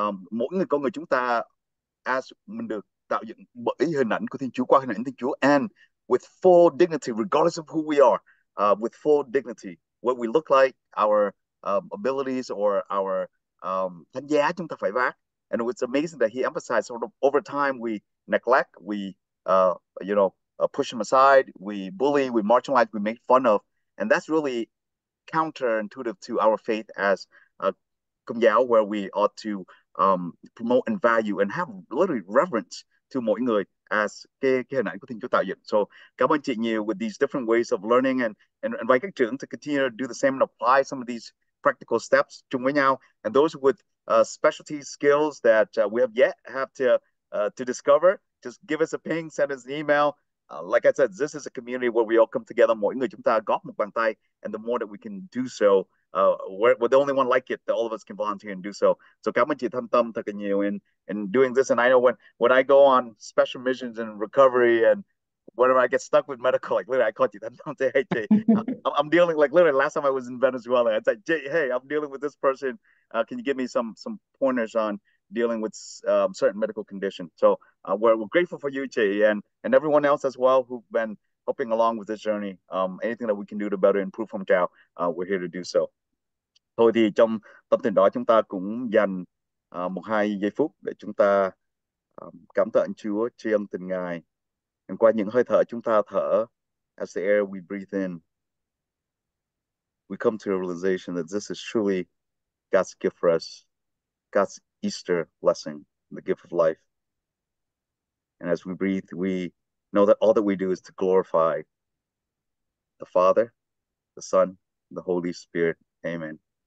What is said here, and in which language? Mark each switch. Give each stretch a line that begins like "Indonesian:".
Vietnamese: Mỗi người con người chúng ta, as mình được tạo dựng bởi hình ảnh của Thiên Chúa, qua hình ảnh Thiên Chúa,
English: and with full dignity, regardless of who we are, with full dignity, what we look like, our abilities or our
Vietnamese: thánh giá chúng ta phải vác.
English: And it's amazing that he emphasized sort of over time we neglect, we push him aside, we bully, we marginalize, we make fun of, and that's really counterintuitive to our faith as a Công giáo, where we ought to promote and value and have literally reverence to mọi người as
Vietnamese: cái hình ảnh của Thiên Chúa tạo dựng.
English: So
Vietnamese: cảm ơn chị nhiều
English: with these different ways of learning and invite các trưởng to continue to do the same and apply some of these practical steps
Vietnamese: chung với nhau,
English: and those with specialty skills that we have yet have to discover, just give us a ping, send us an email. Like I said, this is a community where we all come together.
Vietnamese: Mỗi người chúng ta góp một bàn tay,
English: and the more that we can do so, we're the only one like it, that all of us can volunteer and do so.
Vietnamese: So cảm ơn chị Thanh Tâm thật nhiều
English: in doing this. And I know when I go on special missions and recovery and whenever I get stuck with medical, like literally I call you, Thanh Tâm, say, hey, Jay, I'm dealing, like literally last time I was in Venezuela, I'd say, Jay, hey, I'm dealing with this person. Can you give me some pointers on dealing with certain medical condition? So we're grateful for you, Jay, and everyone else as well who've been helping along with this journey. Anything that we can do to better improve Phong Trào, we're here to do so.
Vietnamese: Thôi thì trong tâm tình đó chúng ta cũng dành một hai giây phút để chúng ta cảm tạ Chúa, tri ân tình Ngài.
English: And
Vietnamese: qua những hơi thở chúng ta thở,
English: as the air we breathe in, we come to the realization that this is truly God's gift for us, God's Easter blessing, the gift of life. And as we breathe, we know that all that we do is to glorify the Father, the Son, the Holy Spirit. Amen.